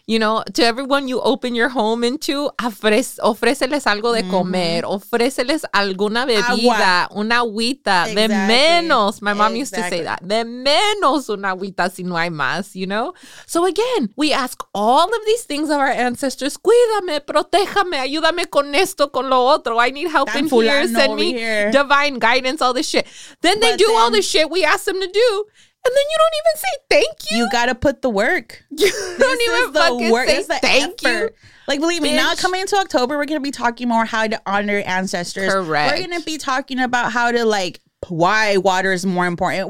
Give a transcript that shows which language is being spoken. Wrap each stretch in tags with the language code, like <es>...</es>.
<en>You know, to everyone you open your home into,</en> <es>ofréceles algo de comer. Ofréceles alguna bebida. Una agüita.</es> <en>Exactly.</en> <es>De menos.</es> <en>My mom used to say that.</en> <es>De menos una agüita si no hay más,</es> <en>you know? So again, we ask all of these things of our ancestors.</en> <es>Cuídame, protéjame, ayúdame con esto, con lo otro.</es> <en>I need help in here. Send me divine guidance, all this shit. Then they do all the shit we ask them to do. And then you don't even say thank you. You got to put the work. You don't even fucking say thank you. Like, believe me, now coming into October, we're going to be talking more how to honor ancestors. Correct. We're going to be talking about how to, like, why water is more important.</en>